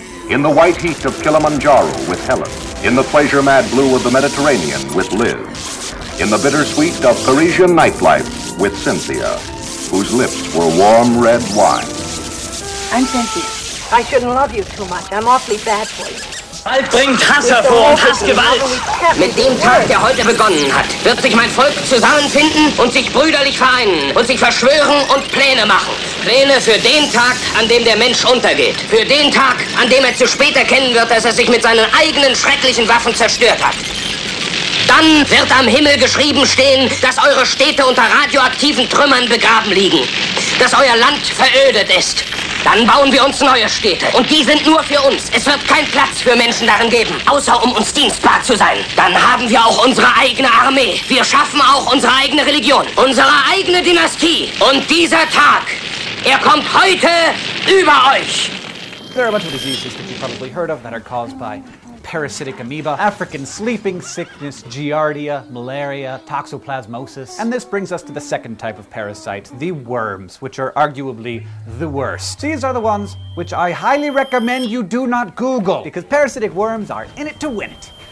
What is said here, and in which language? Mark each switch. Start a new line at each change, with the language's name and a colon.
English: In the white heat of Kilimanjaro with Helen, in the pleasure-mad blue of the Mediterranean with Liz, in the bittersweet of Parisian nightlife with Cynthia, whose lips were warm red wine. I'm Cynthia. I shouldn't love you too much. I'm awfully bad for you.
German: Bald bringt Hasser vor und Hassgewalt. Mit dem Tag, der heute begonnen hat, wird sich mein Volk zusammenfinden und sich brüderlich vereinen und sich verschwören und Pläne machen. Pläne für den Tag, an dem der Mensch untergeht. Für den Tag, an dem er zu spät erkennen wird, dass er sich mit seinen eigenen schrecklichen Waffen zerstört hat. Dann wird am Himmel geschrieben stehen, dass eure Städte unter radioaktiven Trümmern begraben liegen. Dass euer Land verödet ist. Dann bauen wir uns neue Städte. Und die sind nur für uns. Es wird kein Platz für Menschen darin geben, außer um uns dienstbar zu sein. Dann haben wir auch unsere eigene Armee. Wir schaffen auch unsere eigene Religion. Unsere eigene Dynastie. Und dieser Tag, er kommt heute über euch.
English: There are a bunch of diseases that you've probably heard of that are caused by parasitic amoeba, African sleeping sickness, Giardia, malaria, toxoplasmosis. And this brings us to the second type of parasite, the worms, which are arguably the worst. These are the ones which I highly recommend you do not Google, because parasitic worms are in it to win it.